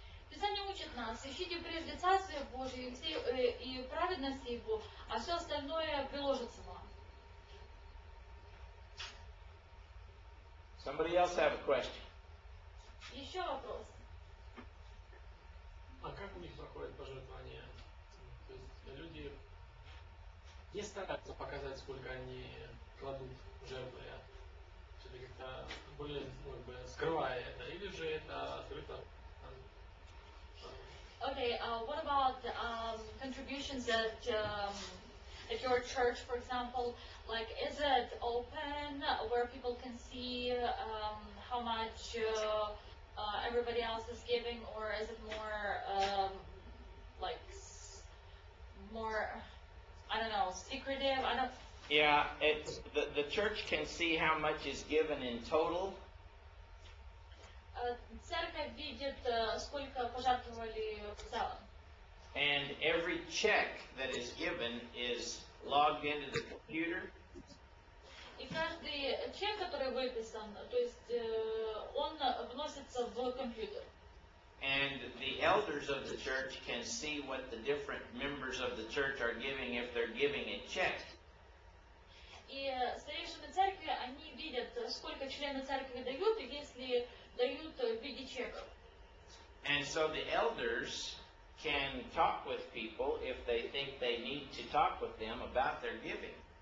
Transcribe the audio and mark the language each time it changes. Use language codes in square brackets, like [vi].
[ru] Писание учит нас, ищите прежде Царствие Божие и праведность Его, а все остальное приложится вам. [en] Somebody else have a question? [ru] Еще вопрос. А как у них проходит пожертвование? То есть люди не стараются показать, сколько они кладут жертвы, все-таки как-то более, ну, как бы скрывая это, или же это открыто? [en] Okay, what about contributions that at your church, for example, like, is it open where people can see how much everybody else is giving, or is it more like more, I don't know, secretive? I don't. Yeah, it's the church can see how much is given in total. [ru] Церковь видит, сколько пожертвовали в целом. [en] And every check that is given is logged into the computer. [ru] И каждый чек, который выписан, то есть он вносится в компьютер. [en] And the elders of the church can see what the different members of the church are giving if they're giving a check. [ru] И старейшины церкви, они видят, сколько члены церкви дают, если дают в виде чеков. [en] And so the elders can talk with people if they think they need to talk with them about their giving.